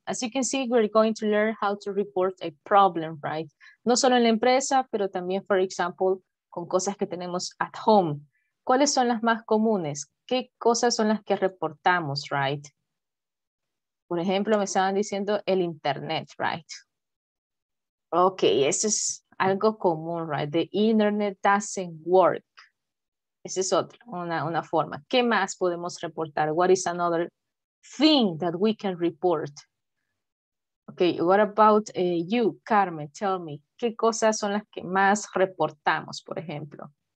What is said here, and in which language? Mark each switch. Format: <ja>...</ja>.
<en>As you can see, we're going to learn how to report a problem, right?</en> <es>No solo en la empresa, pero también,</es> <en>for example,</en> <es>con cosas que tenemos</es> <en>at home.</en> <es>¿Cuáles son las más comunes? ¿Qué cosas son las que reportamos, right? Por ejemplo, me estaban diciendo el internet, right? Okay, eso es algo común, right?</es> <en>The internet doesn't work.</en> <es>Esa es otra, una forma. ¿Qué más podemos reportar?</es> <en>What is another thing that we can report? Okay, what about you, Carmen? Tell me,</en> <es>¿qué cosas son las que más reportamos, por ejemplo?</es>